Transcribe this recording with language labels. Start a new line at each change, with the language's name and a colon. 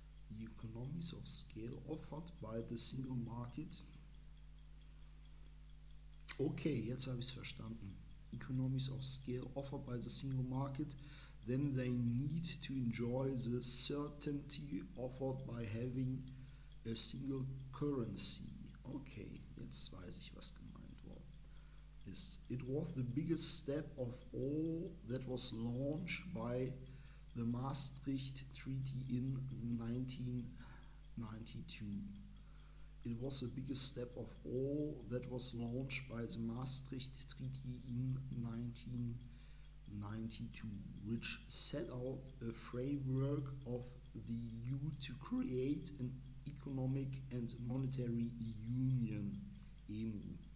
English: The economies of scale offered by the single market.
German: Okay, jetzt habe ich es verstanden.
English: Economies of scale offered by the single market, then they need to enjoy the certainty offered by having a single currency.
German: Okay, jetzt weiß ich, was gemeint worden ist.
English: It was the biggest step of all that was launched by the Maastricht Treaty in 1992. It was the biggest step of all that was launched by the Maastricht Treaty in 1992, which set out a framework of the EU to create an economic and monetary union, EMU.